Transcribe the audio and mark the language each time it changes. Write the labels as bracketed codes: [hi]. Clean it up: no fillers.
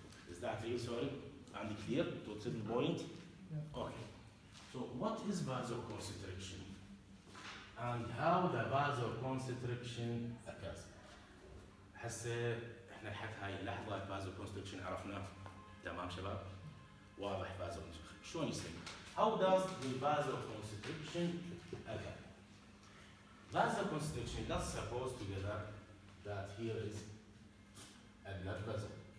[en] Is that clear, and clear to the point? Yeah. Okay. So what is vasoconstriction? And how the vasoconstriction occurs? [ar] حسي احنا لحد هاي اللحظة vasoconstriction عرفنا تمام شباب؟ واضح vasoconstriction. شو يصير؟ [en] How does the vasoconstriction occur? Vasoconstriction, let's suppose together that here is a blood vessel.